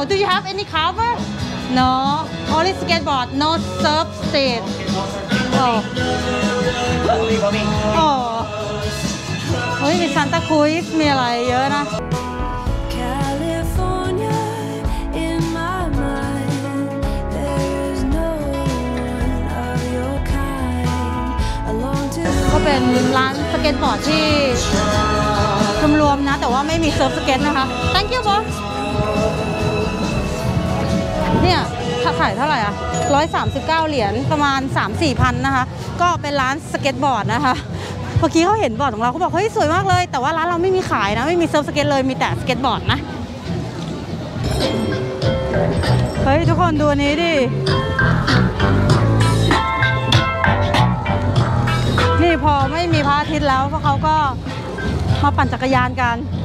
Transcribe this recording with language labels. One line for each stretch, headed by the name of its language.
English: Do you have any cover? No. Only skateboard. No surf state. Oh. Oh. Oh. Oh. Santa Cruz.
Thai: มีอะไรเยอะนะ
English: California in my mind. There is no one of your kind. Along to.
Thai: ก็เป็นร้านสเก็ตบอร์ดที่รวมๆนะแต่ว่าไม่มีเซิร์ฟสเก็ตนะคะ
English: Thank you, boss.
Thai: เนี่ยขายเท่าไหร่อ่ะ139เหรียญประมาณ 3-4,000 นะคะก็เป็นร้านสเก็ตบอร์ดนะคะเมื่อกี้เขาเห็นบอร์ดของเราเขาบอกเฮ้ยสวยมากเลยแต่ว่าร้านเราไม่มีขายนะไม่มีเซิร์ฟสเก็ตเลยมีแต่สเก็ตบอร์ดนะเฮ้ยทุกคนดูนี้ดินี่พอไม่มีพระอาทิตย์แล้วพวกเขาก็มาปั่นจักรยานกัน